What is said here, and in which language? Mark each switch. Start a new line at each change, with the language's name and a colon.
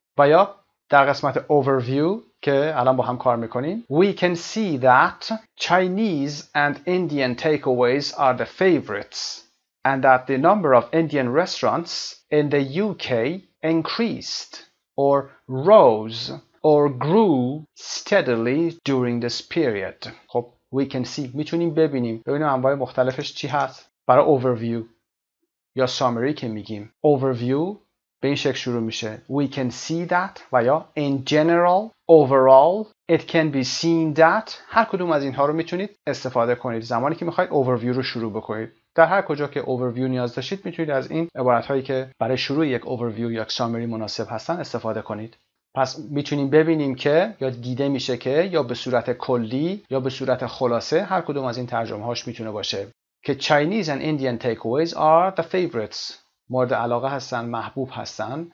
Persian: و یا در قسمت overview که الان با هم کار میکنیم،
English: We can see that Chinese and Indian takeaways are the favorites and that the number of Indian restaurants in the UK increased or rose or grew steadily during this period.
Persian: خب
English: We can see،
Persian: میتونیم ببینیم. ببینیم انواع مختلفش چی هست. برای overview یا summary که میگیم، overview به این شکل شروع میشه.
English: We can see that
Persian: و یا
English: in general، overall، it can be seen that.
Persian: هر کدوم از اینها رو میتونید استفاده کنید زمانی که میخواید overview رو شروع بکنید. در هر کجا که overview نیاز داشتید میتونید از این عبارتهایی که برای شروع یک overview یا summary مناسب هستن استفاده کنید. پس میتونیم ببینیم که یا دیده میشه که یا به صورت کلی یا به صورت خلاصه هر کدوم از این ترجمه هاش میتونه باشه که
English: Chinese and Indian takeaways are the favorites،
Persian: مورد علاقه هستن، محبوب هستن.